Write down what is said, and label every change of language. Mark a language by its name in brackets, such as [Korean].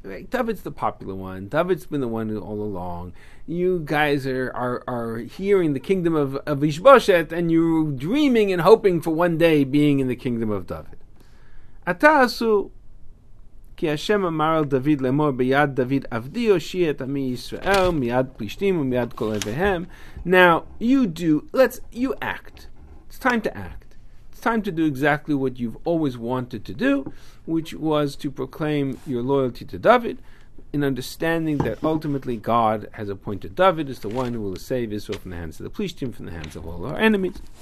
[English] David's the popular one. David's been the one all along. You guys are hearing the kingdom of Ishbosheth and you're dreaming and hoping for one day being in the kingdom of David. [Hebrew] Ata asu כי השם אמר על דוד לאמור ביד דוד עבדי הושיע את עמי ישראל מיד פלישתים ומיד כל אויביהם. [English] Now, you act. It's time to act. It's time to do exactly what you've always wanted to do, which was to proclaim your loyalty to David, in understanding that ultimately God has appointed David as the one who will save Israel from the hands of the Plishtim, from the hands of all our enemies.